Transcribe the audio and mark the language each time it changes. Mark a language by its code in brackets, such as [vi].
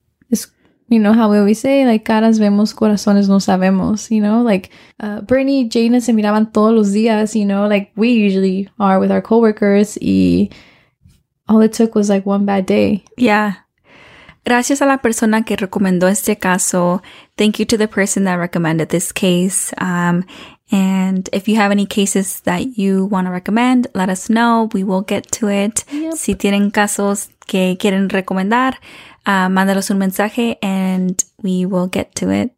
[en] It's, you know how we always say, like, [es] caras vemos, corazones no sabemos, [en] you know? [es] Like, Brittany, Jaina se miraban todos los días, [en] you know? Like, we usually are with our coworkers, y all it took was, like, one bad day. Yeah. [es] Gracias a la persona que recomendó este caso. [en] Thank you to the person that recommended this case. And if you have any cases that you want to recommend, let us know. We will get to it. Yep. [es] Si tienen casos que quieren recomendar, mándalos un mensaje [en] and we will get to it.